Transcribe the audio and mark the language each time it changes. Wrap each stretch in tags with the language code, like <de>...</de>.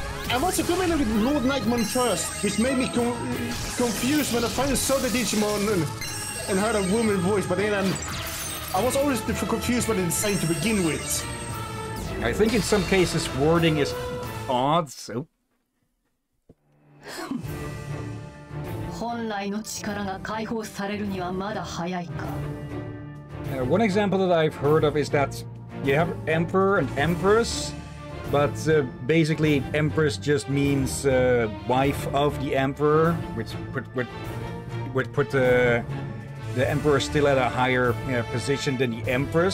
<en>I must have come in with Lord Nightmon first, which made me confused when I finally saw the Digimon and heard a woman's voice, but then I was always confused what it's saying to begin with. I think in some cases wording is odd, so...</en> <ja>本来の力が解放されるにはまだ早いか。</ja> <en>One example that I've heard of is that you have Emperor and Empress, but basically Empress just means wife of the Emperor, which would put the Emperor still at a higher position than the Empress.</en>